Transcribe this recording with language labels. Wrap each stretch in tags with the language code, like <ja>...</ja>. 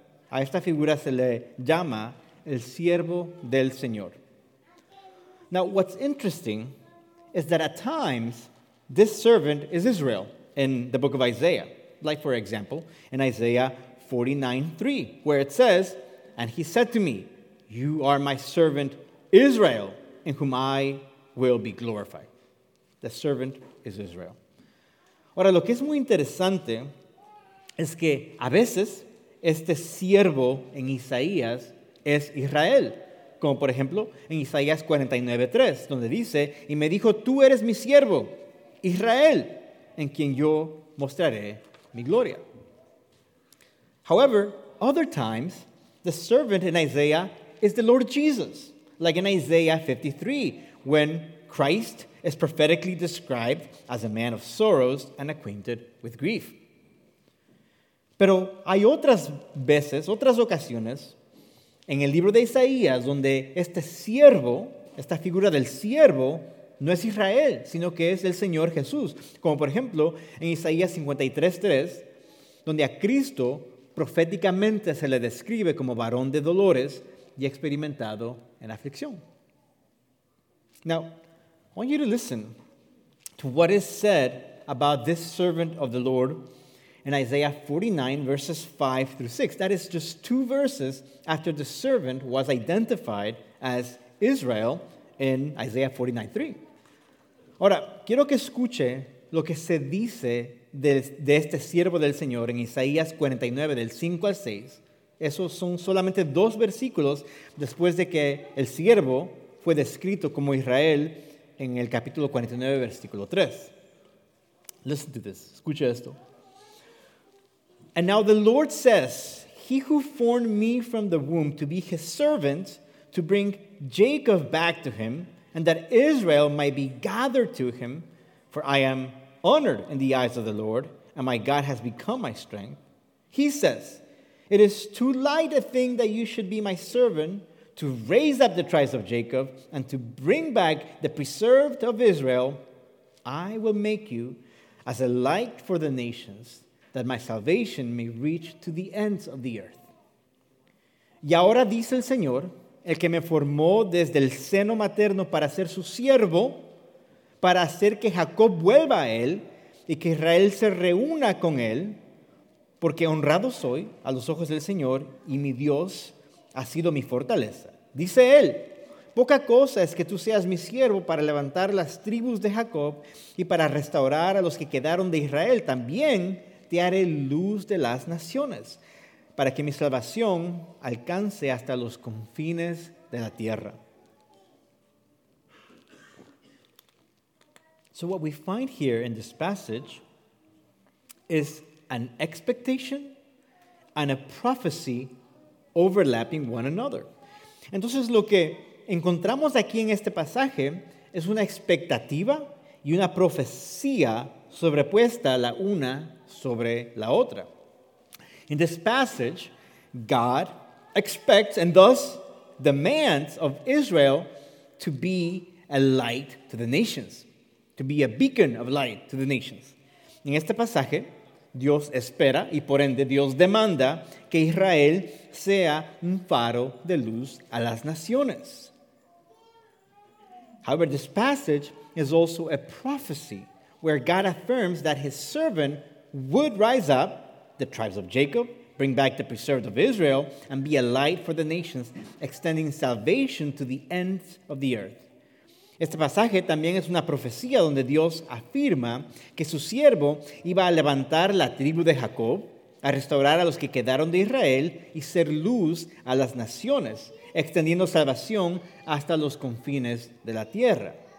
<es>A esta figura se le llama el siervo del Señor.</es> <en>Now, what's interesting is that at times, this servant is Israel in the book of Isaiah. Like, for example, in Isaiah 49:3, where it says, "And he said to me, 'You are my servant Israel, in whom I will be glorified.'" The servant is Israel.</en> <es>Ahora, lo que es muy interesante es que a veces este siervo en Isaías es Israel. Como, por ejemplo, en Isaías 49:3, donde dice, "Y me dijo, 'Tú eres mi siervo Israel, en quien yo mostraré mi gloria.'"</es> <en>However, other times, the servant in Isaiah is the Lord Jesus, like in Isaiah 53, when Christ is prophetically described as a man of sorrows and acquainted with grief.</en> <es>Pero hay otras veces, otras ocasiones, en el libro de Isaías, donde este siervo, esta figura del siervo, no es Israel, sino que es el Señor Jesús. Como por ejemplo, en Isaías 53:3, donde a Cristo proféticamente se le describe como varón de dolores y experimentado en aflicción.</es> <en>Now, I want you to listen to what is said about this servant of the Lord in Isaiah 49, verses 5 through 6. That is just two verses after the servant was identified as Israel en Isaiah 49:3.</en> <es>Ahora, quiero que escuche lo que se dice de este siervo del Señor en Isaías 49, del 5 al 6. Esos son solamente dos versículos después de que el siervo fue descrito como Israel en el capítulo 49, versículo 3.</es> <en>Listen to this.</en> <es>Escuche esto.</es> <en>And now the Lord says, He who formed me from the womb to be his servant, to bring Jacob back to him, and that Israel might be gathered to him, for I am honored in the eyes of the Lord, and my God has become my strength. He says, It is too light a thing that you should be my servant to raise up the tribes of Jacob and to bring back the preserved of Israel. I will make you as a light for the nations, that my salvation may reach to the ends of the earth.</en> <es>Y ahora dice el Señor, el que me formó desde el seno materno para ser su siervo, para hacer que Jacob vuelva a él y que Israel se reúna con él, porque honrado soy a los ojos del Señor y mi Dios ha sido mi fortaleza. Dice él, poca cosa es que tú seas mi siervo para levantar las tribus de Jacob y para restaurar a los que quedaron de Israel. También te haré luz de las naciones para que mi salvación alcance hasta los confines de la tierra.</es> <en>So what we find here in this passage is an expectation and a prophecy overlapping one another.</en> <es>Entonces, lo que encontramos aquí en este pasaje es una expectativa y una profecía sobrepuesta la una sobre la otra.</es> <en>In this passage, God expects and thus demands of Israel to be a light to the nations, to be a beacon of light to the nations.</en> <es>En este pasaje, Dios espera y por ende Dios demanda que Israel sea un faro de luz a las naciones.</es> <en>However, this passage is also a prophecy where God affirms that his servant would rise up, the tribes of Jacob, bring back the preserved of Israel, and be a light for the nations, extending salvation to the ends of the earth.</en> <es>Este pasaje también es una profecía donde Dios afirma que su siervo iba a levantar la tribu de Jacob, a restaurar a los que quedaron de Israel y ser luz a las naciones, extendiendo salvación hasta los confines de la tierra.</es>